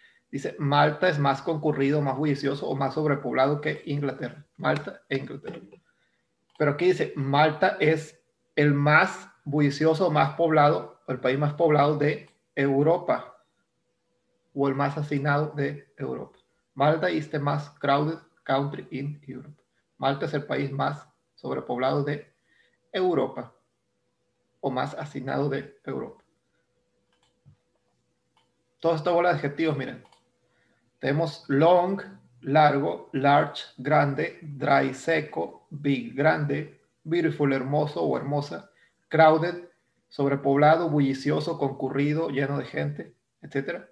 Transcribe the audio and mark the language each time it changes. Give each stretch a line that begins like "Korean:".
Spanish: Dice, Malta es más concurrido, más bullicioso o más sobrepoblado que Inglaterra. Malta e Inglaterra. Pero aquí dice, Malta es el más bullicioso, más poblado, el país más poblado de Europa. O el más hacinado de Europa.
English: Malta is the most crowded country in Europe.
Spanish: Malta es el país más sobrepoblado de Europa. O más hacinado de Europa. Toda esta bola de adjetivos, miren. Tenemos long, largo, large, grande, dry, seco, big, grande, beautiful, hermoso o hermosa, crowded, sobrepoblado, bullicioso, concurrido, lleno de gente, etc.